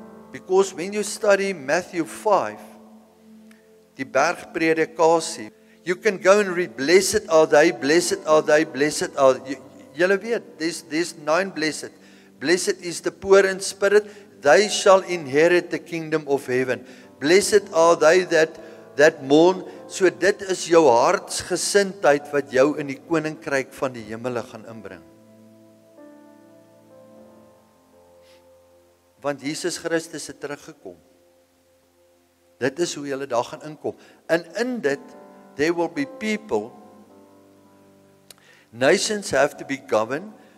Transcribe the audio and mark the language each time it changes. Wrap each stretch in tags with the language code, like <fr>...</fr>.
<en>Because when you study Matthew 5,</en> <af>die bergpredikasie,</af> <en>you can go and read, blessed are they, blessed are they, blessed are they.</en> <af>Julle weet,</af> <en>there's 9 blessed. Blessed is the poor in spirit, they shall inherit the kingdom of heaven. Blessed are they that mourn.</en> <af>So dit is jou hartsgesindheid wat jou in die koninkryk van die hemele gaan inbring. Want Jesus Christus het teruggekom. Dit is hoe julle daar gaan inkom.</af> <en>And in dit, there will be people, nations have to be governed.</en>